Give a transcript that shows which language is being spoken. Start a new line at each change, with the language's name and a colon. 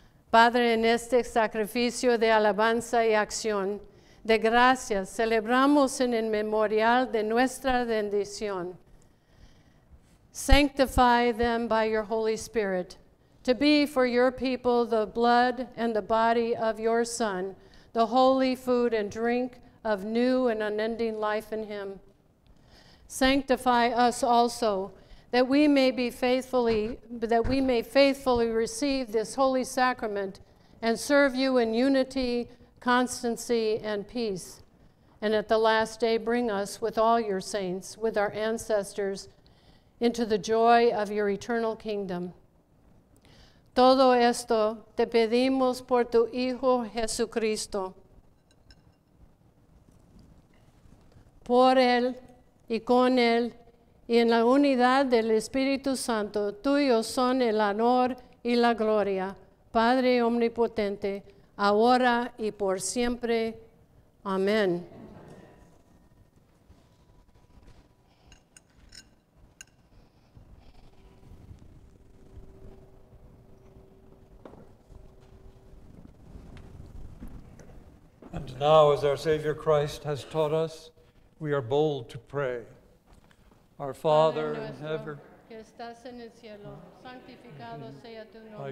Spanish: Padre, en este sacrificio de alabanza y acción de gracias, celebramos en el memorial de nuestra rendición.
English: Sanctify them by your Holy Spirit to be for your people the blood and the body of your Son, the holy food and drink of new and unending life in him. Sanctify us also, that we may faithfully receive this holy sacrament and serve you in unity, constancy, and peace. And at the last day, bring us with all your saints, with our ancestors, into the joy of your eternal kingdom.
Spanish: Todo esto te pedimos por tu Hijo Jesucristo. Por él y con él y en la unidad del Espíritu Santo, tuyos son el honor y la gloria, Padre omnipotente, ahora y por siempre. Amén.
English: And now, as our Savior Christ has taught us, we are bold to pray. Our Father in heaven,
Spanish: que estás en el cielo, santificado sea tu nombre.